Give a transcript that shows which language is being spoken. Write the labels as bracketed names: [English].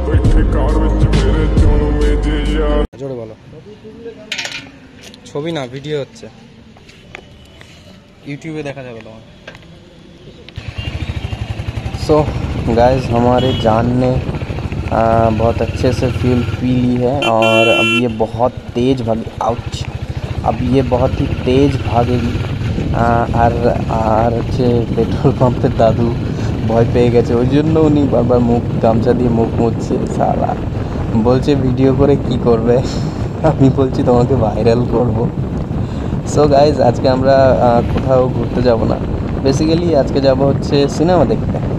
[Bangla] जोड़ बोलो, छवि ना वीडियो হচ্ছে ইউটিউবে দেখা যাবে তোমার। [Hindi] सो गाइस, हमारे जान ने बहुत अच्छे से फ्यूल पी ली है, और अब ये बहुत तेज भागी। आउच, अब ये बहुत ही तेज भागेगी। [Bangla] আর পেট্রোল পাম্পে দাদু ভয় পেয়ে গেছে, ওই জন্য উনি বারবার মুখ গামছা দিয়ে মুখ মুছছে। সারা বলছে ভিডিও করে কি করবে, আমি বলছি তোমাকে ভাইরাল করব। সো গাইস, আজকে আমরা কোথাও ঘুরতে যাব না, বেসিক্যালি আজকে যাব হচ্ছে সিনেমা দেখতে।